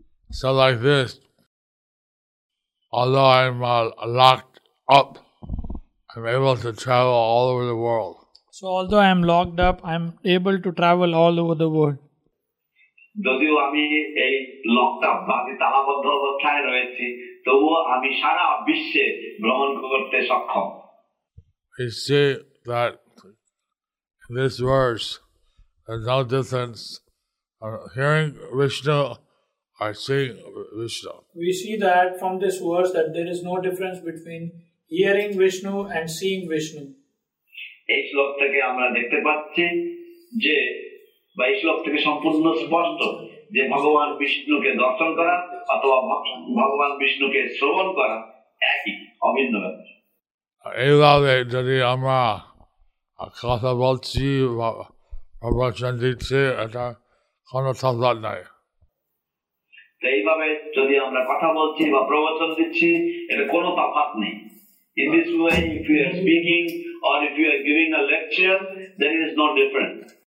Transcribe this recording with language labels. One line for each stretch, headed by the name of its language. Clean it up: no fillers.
English: So like this, although I'm locked up, I'm able to travel all over the world. So although I am locked up, I am able to travel all over the world.
Bangla: যদিও আমি এই লকটা বাজি তালাবদ্ধ অবস্থায় রয়েছি তবুও আমি সারা বিশ্বে ভ্রমণ করতে সক্ষম
English: is say that in this verse there's no difference of hearing Vishnu or seeing Vishnu. We see that from this verse that there is no difference between hearing Vishnu and seeing Vishnu.
Bangla: এই শ্লোক থেকে আমরা দেখতে পাচ্ছি যে বা এই শ্লোক থেকে সম্পূর্ণ স্পষ্ট যে ভগবান বিষ্ণুকে দর্শন করা অথবা ভগবান বিষ্ণুকে শ্রবণ করা একই অভিন্ন ব্যাপার এইভাবে যদি আমরা কথা বলছি প্রবচন দিচ্ছি এটা কোনো সংবাদ নাই এইভাবে যদি আমরা কথা বলছি বা প্রবচন দিচ্ছি এটা কোনো তফাৎ নেই
English: in this way if you are speaking or if you are giving a lecture then it is no different